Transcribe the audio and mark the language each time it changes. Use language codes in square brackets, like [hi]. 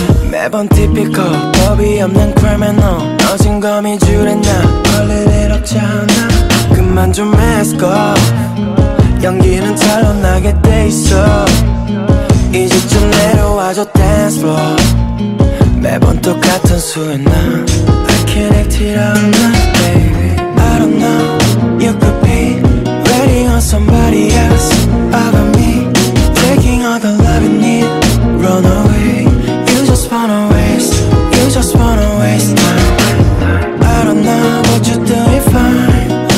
[ko] 매번 typical, 법이 없는 criminal. 어진 거미 줄에 나, 걸릴 일 없잖아. 그만 좀 [en] mask up, [ko] 연기는 찬란하게 돼 있어. 이제 좀 내려와줘 [en] dance floor. [ko] 매번 똑같은 수에 나 [en] I can act it out now, baby. I don't know, you could be waiting on somebody else. I got me taking all the love you need. Run away, you just wanna waste. You just wanna waste time. I don't know what you're doing fine.